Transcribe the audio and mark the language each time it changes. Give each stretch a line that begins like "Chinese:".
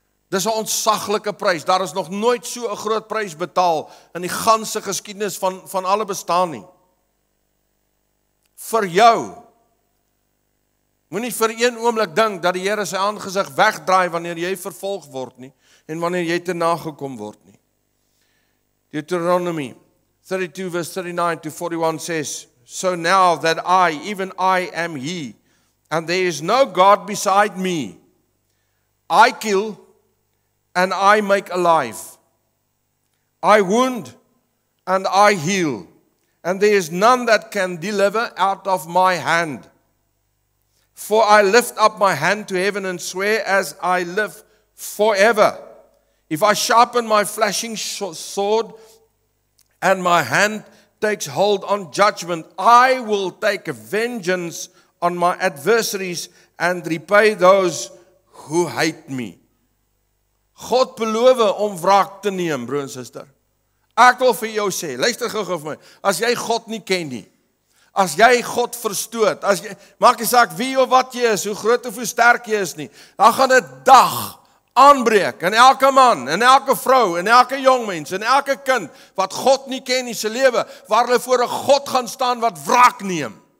Afrikaans: Dis 'n ontzaglike prys. Daar is nog nooit so 'n groot prys betaal in die ganse geskiedenis van alle bestaan nie. Vir jou, moenie vir een oomblik dink dat die Here sy aangesig wegdraai wanneer jy vervolg word nie, en wanneer jy te nagekom word nie.
English: Deuteronomy 32 verse 39 to 41 says, so now that I, even I am he, and there is no God beside me, I kill and I make alive, I wound and I heal, and there is none that can deliver out of my hand. For I lift up my hand to heaven and swear as I live forever. If I sharpen my flashing sword and my hand takes hold on judgment, I will take vengeance on my adversaries and repay those who hate me.
Afrikaans: God beloof om wraak te neem, broer en suster. Ek wil vir jou sê, luister gou vir my, as jy God nie ken nie, As jy God verstoot, as jy, maak nie saak wie of wat jy is, hoe groot of hoe sterk jy is nie, dan gaan dit dag aanbreek in elke man, in elke vrou, in elke jong mens, in elke kind, wat God nie ken in sy lewe, waar hulle voor 'n God gaan staan wat wraak neem.